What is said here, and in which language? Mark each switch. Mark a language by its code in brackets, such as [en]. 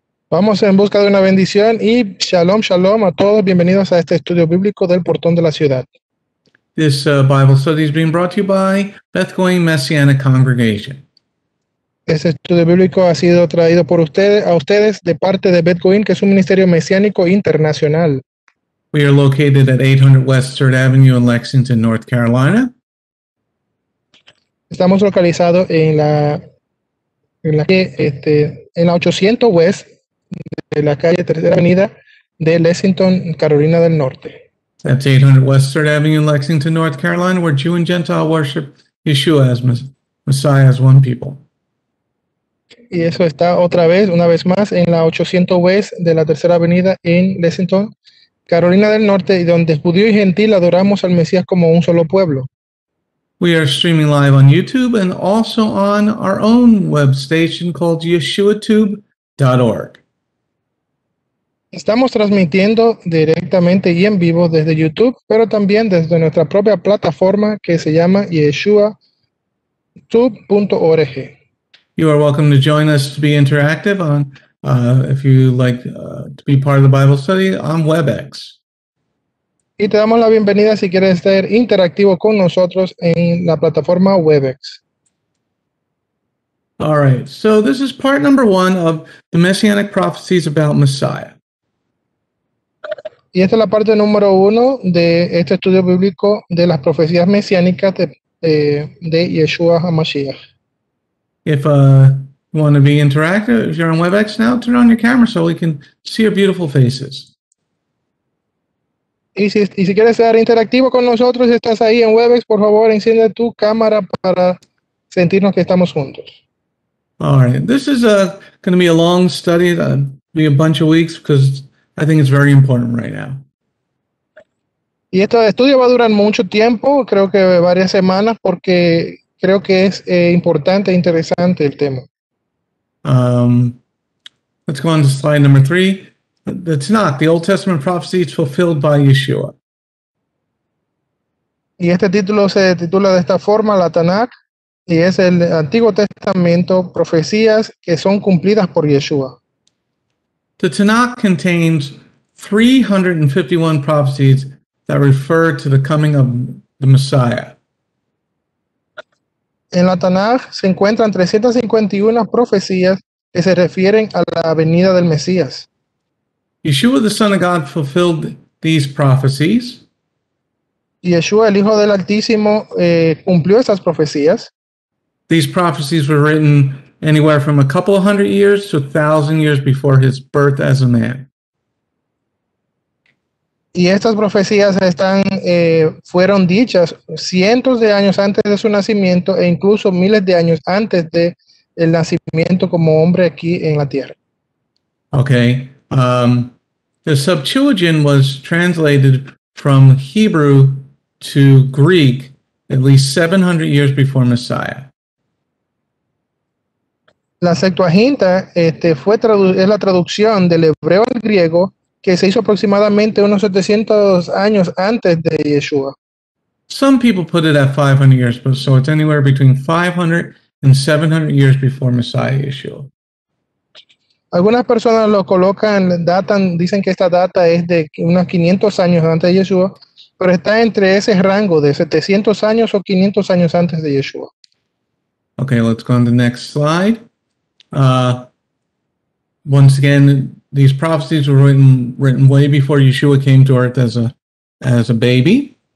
[es] Vamos en busca de una bendición y shalom, shalom a todos. Bienvenidos a este estudio bíblico del portón de la ciudad. [en] This Bible study is being brought to you by Beth Goyim Messianic Congregation. [es] Este estudio bíblico ha sido traído por ustedes, a ustedes de parte de Beth Goyim, que es un ministerio mesiánico internacional. [en] We are located at 800 West 3rd Avenue in Lexington, North Carolina. [es] Estamos localizados en la en la 800 West de la calle 3rd Avenida de Lexington, Carolina del Norte. [en] That's 800 West 3rd Avenue in Lexington, North Carolina, where Jew and Gentile worship Yeshua as Messiah as one people. [es] Y eso está otra vez, una vez más, en la 800 West de la 3rd Avenida en Lexington, Carolina del Norte, y donde judío y gentil adoramos al Mesías como un solo pueblo. [en] We are streaming live on YouTube and also on our own web station called yeshuatube.org. [es] Estamos transmitiendo directamente y en vivo desde YouTube, pero también desde nuestra propia plataforma que se llama yeshuatube.org. [en] You are welcome to join us to be interactive on if you like to be part of the Bible study on WebEx. [es] Y te damos la bienvenida si quieres ser interactivo con nosotros en la plataforma WebEx. [en] All right, so this is part number one of the Messianic prophecies about Messiah. [es] Y esta es la parte número uno de este estudio bíblico de las profecías mesiánicas de Yeshua HaMashiach. [en] If you want to be interactive, if you're on WebEx now, turn on your camera so we can see your beautiful faces. [es] Y si quieres ser interactivo con nosotros, estás ahí en WebEx, por favor, enciende tu cámara para sentirnos que estamos juntos. [en] All right. This is going to be a long study. It'll be a bunch of weeks because I think it's very important right now. [es] Y este estudio va a durar mucho tiempo, creo que varias semanas, porque creo que es importante e interesante el tema. [en] Let's go on to slide number three. The Tanakh, the Old Testament prophecy is fulfilled by Yeshua. [es] Y este título se titula de esta forma, la Tanakh, y es el Antiguo Testamento, profecías que son cumplidas por Yeshua. [en] The Tanakh contains 351 prophecies that refer to the coming of the Messiah. [es] En la Tanakh se encuentran 351 profecías que se refieren a la venida del Mesías. [en] Yeshua, the Son of God, fulfilled these prophecies. [es] Yeshua, el Hijo del Altísimo, cumplió esas profecías. [en] These prophecies were written anywhere from a couple of hundred years to a thousand years before his birth as a man. [es] Y estas profecías están, fueron dichas cientos de años antes de su nacimiento e incluso miles de años antes de el nacimiento como hombre aquí en la tierra. [en] Okay. The Septuagint was translated from Hebrew to Greek at least 700 years before Messiah. [es] La Septuaginta fue es la traducción del hebreo al griego que se hizo aproximadamente unos 700 años antes de Yeshua. [en] Some people put it at 500 years, but so it's anywhere between 500 and 700 years before Messiah Yeshua. [es] Algunas personas lo colocan, datan, dicen que esta data es de unos 500 años antes de Yeshua, pero está entre ese rango de 700 años o 500 años antes de Yeshua. [en] Okay, let's go on the next slide. Once again, these prophecies were written way before Yeshua came to earth as a baby.